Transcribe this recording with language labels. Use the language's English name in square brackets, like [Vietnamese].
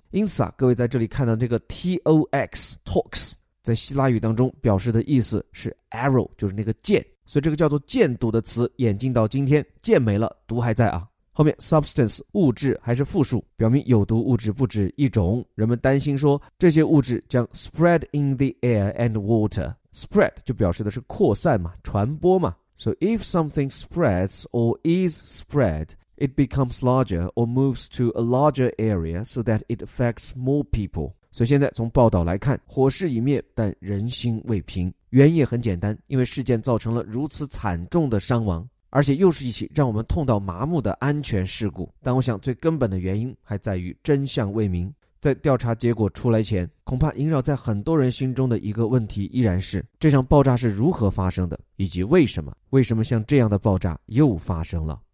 [Chinese] 因此啊，各位在这里看到这个 tox tox， 在希腊语当中表示的意思是 arrow， 就是那个箭，所以这个叫做箭毒的词演进到今天，箭没了，毒还在啊。后面 substance 物质还是复数，表明有毒物质不止一种。人们担心说这些物质将 spread in the air and water， spread 就表示的是扩散嘛，传播嘛。 [English] So if something spreads or is spread, it becomes larger or moves to a larger area so that it affects more people。 [Chinese] 所以现在从报道来看，火势已灭，但人心未平。原因也很简单，因为事件造成了如此惨重的伤亡，而且又是一起让我们痛到麻木的安全事故。但我想最根本的原因还在于真相未明。在调查结果出来前，恐怕萦绕在很多人心中的一个问题依然是，这场爆炸是如何发生的，以及为什么，为什么像这样的爆炸又发生了。